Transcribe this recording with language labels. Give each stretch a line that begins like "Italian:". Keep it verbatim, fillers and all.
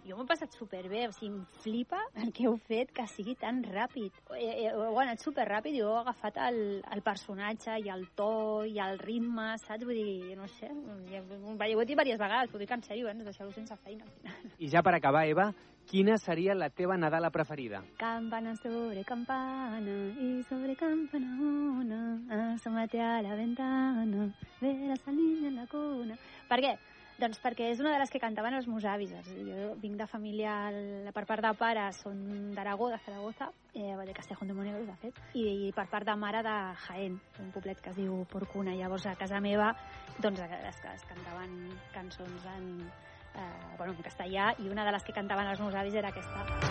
Catalan: Jo m'ho he passat superbé, o sigui, em flipa perquè heu fet que sigui tan ràpid. Heu anat superràpid i heu agafat el, el personatge i el to i el ritme, saps? Vull dir, no sé, ho he dit diverses vegades, però dic en sèrio, eh? No deixeu-ho sense feina al final. I ja per acabar, Eva, quina seria la teva Nadala preferida?
Spanish: Campana sobre campana y sobre campana una, asómate a la ventana, verás al niño en la cuna.
Catalan: Per què? Doncs perquè és una de les que cantaven els meus avis. Jo vinc de família, per part de pare són d'Aragó, de Zaragoza, eh, de Castejón de Monegros, de fet, i, i per part de mare de Jaén, un poblet que es diu Porcuna. Llavors a casa meva doncs, es, es cantaven cançons en, eh, bueno, en castellà, i una de les que cantaven els meus avis era aquesta.